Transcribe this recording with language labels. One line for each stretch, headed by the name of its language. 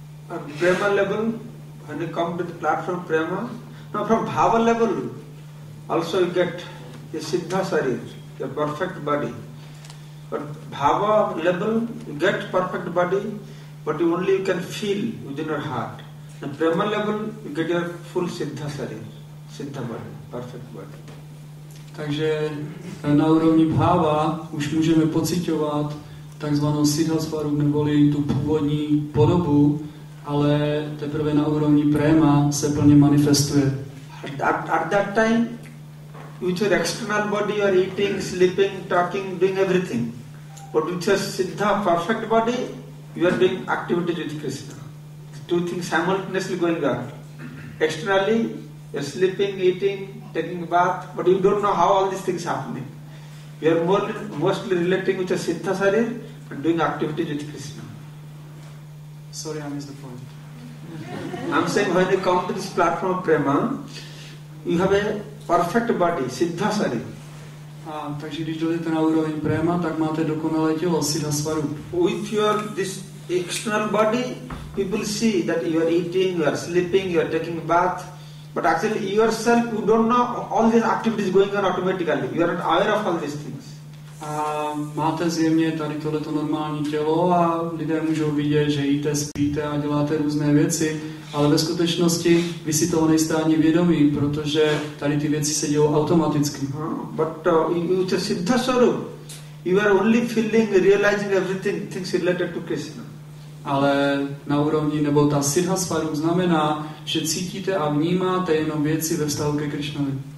English: At prema level, when you come to the platform prema, now from bhava level, also you get your siddha sarir, your perfect body. But bhava level, you get perfect body, but you only can feel within your heart. At prema level, you get your full siddha sarir, siddha body, perfect body.
Czech: Takže na úrovni bhava už můžeme pocitovat takzvanou siddhasvaru, neboli tu původní podobu, ale teprve na úrovni prema se plně manifestuje.
English: At that time, with your external body, you are eating, sleeping, talking, doing everything. But with your siddha, perfect body, you are doing activities with Krishna. Two things simultaneously going on. Externally, you're sleeping, eating, taking a bath, but you don't know how all these things happening. We are mostly relating with a siddha sarir and doing activities with Krishna. Sorry, I missed the point. I'm saying when you come to this platform of prema, you have a perfect body, siddha sarir.
Czech: Takže když dojdete na úroveň prema, tak máte dokonalé tělo, siddha svaru.
English: With your this external body, people see that you are eating, you are sleeping, you are taking a bath. But actually yourself, you don't know all these activities going on automatically. You are not aware of all these things.
Czech: Máte zjevně tady tohleto normální tělo a lidé můžou vidět, že jíte, spíte a děláte různé věci, ale ve skutečnosti vy si toho nejste ani vědomí, protože tady ty věci se dějou automaticky.
English: But you siddha swarup, you are only feeling, realizing everything, things related to Krishna.
Czech: Ale na úrovni, nebo ta siddha svaru znamená, že cítíte a vnímáte jenom věci ve vztahu ke Krišnovi.